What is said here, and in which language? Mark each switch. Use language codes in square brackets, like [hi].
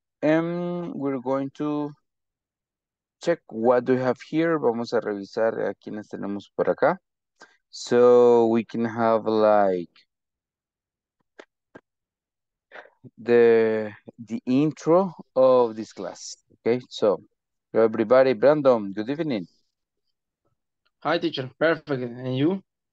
[en] We're going to check what we have here. [es] Vamos a revisar a quienes tenemos por acá. [en] So we can have like the intro of this class. Okay, so everybody, Brandon, good evening. Hi, teacher. Perfect. And you?